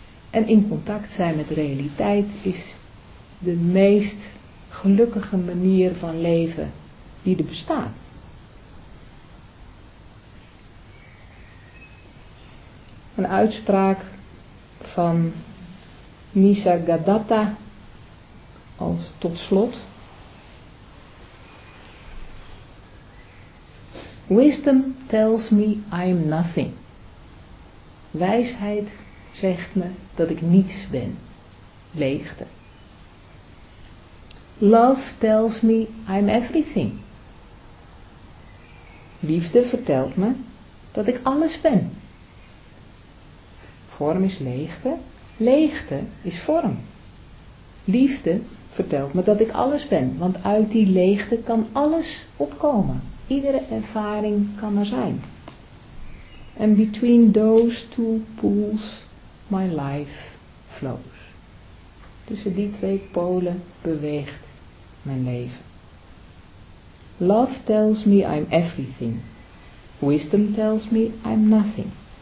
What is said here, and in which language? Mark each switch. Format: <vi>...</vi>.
<nl>En in contact zijn met realiteit is de meest gelukkige manier van leven die er bestaat. Een uitspraak van Nisargadatta als tot slot.</nl> <en>Wisdom tells me I am nothing.</en> <nl>Wijsheid zegt me dat ik niets ben. Leegte.</nl> <en>Love tells me I am everything.</en> <nl>Liefde vertelt me dat ik alles ben. Vorm is leegte. Leegte is vorm. Liefde vertelt me dat ik alles ben, want uit die leegte kan alles opkomen. Iedere ervaring kan er zijn.</nl> <en>And between those two pools, my life flows.</en> <nl>Tussen die twee polen beweegt mijn leven.</nl> <en>Love tells me I'm everything. Wisdom tells me I'm nothing.</en>